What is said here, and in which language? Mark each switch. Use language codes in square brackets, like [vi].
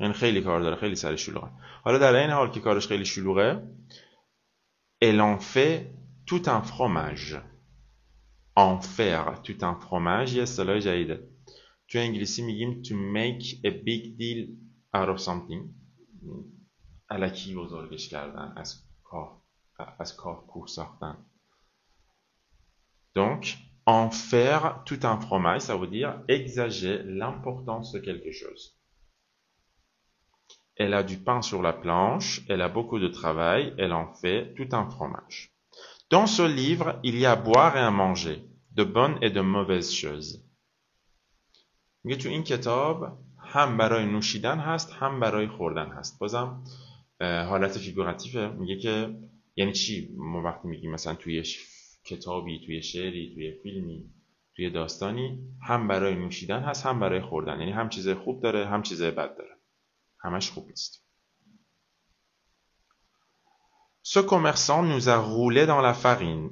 [fa] یعنی خیلی کار داره، خیلی سر شلوغه. حالا در این حال که کارش خیلی شلوغه، [fr] elle en fait tout un fromage. En faire tout un fromage. [fa] یه اصطلاح جدیده. تو انگلیسی میگیم [en] to make a big deal out of something. [fa] الکی بزرگش کردن از کاه، از کاه کوه ساختن. [fr] Donc, en faire tout un fromage, ça veut dire exagérer l'importance de quelque chose. Elle a du pain sur la planche, elle a beaucoup de travail, elle en fait tout un fromage. Dans ce livre, il y a à boire et à manger, de bonnes et de mauvaises choses. Il y a tout un [fa] kitab, هم برای نوشیدن هست، هم برای خوردن هست. بازم حالت فیگوراتیفه. میگه که یعنی چی؟ ما وقتی میگیم مثلا توی کتابی، توی شعری، توی فیلمی، توی داستانی، هم برای نوشیدن هست، هم برای خوردن. یعنی هم چیز خوب داره، هم چیز بد داره. همش خوب نیست. [fr] Ce commerçant nous a roulé dans la farine.